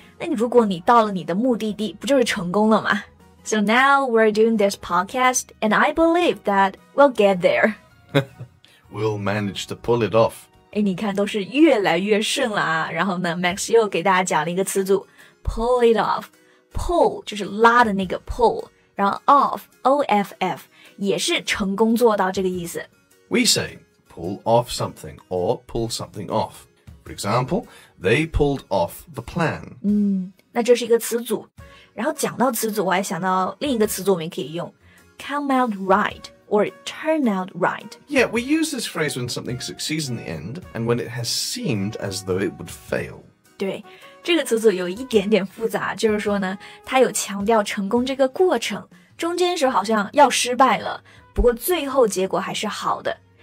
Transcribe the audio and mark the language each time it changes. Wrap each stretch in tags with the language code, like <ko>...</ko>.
<zh>那你如果你到了你的目的地，不就是成功了吗？</zh> <en>So now we're doing this podcast, and I believe that we'll get there. We'll manage to pull it off.</en> <zh>哎，你看都是越来越顺了啊。然后呢 ，Max 又给大家讲了一个词组 ，pull it off. Pull 就是拉的那个 pull， 然后 off O F F 也是成功做到这个意思。</zh> <en>We say pull off something or pull something off. For example, they pulled off the plan.</en> <zh>那这是一个词组。然后讲到词组，我还想到另一个词组，我们可以用 come out right.</zh> <en>Or it turned out right. Yeah, we use this phrase when something succeeds in the end and when it has seemed as though it would fail.</en> <zh>对，这个词组有一点点复杂，就是说呢，它有强调成功这个过程，中间时候好像要失败了，不过最后结果还是好的。</zh>